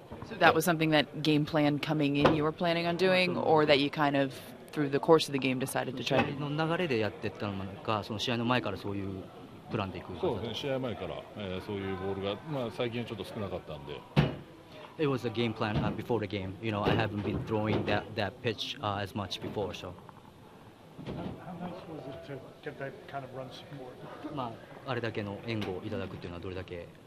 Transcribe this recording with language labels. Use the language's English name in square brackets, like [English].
[English] So that was something that game plan coming in you were planning on doing, or that you kind of through the course of the game decided to try. [Japanese] の流れでやってったのか、その試合の前からそういうプランでいく。そうですね。試合前から、そういうボールが、まあ、最近ちょっと少なかったんで。 [English] It was a game plan before the game. You know, I haven't been throwing that pitch as much before, so. How nice was it to get that kind of run support? [Japanese] まああれだけの援護をいただくっていうのはどれだけ。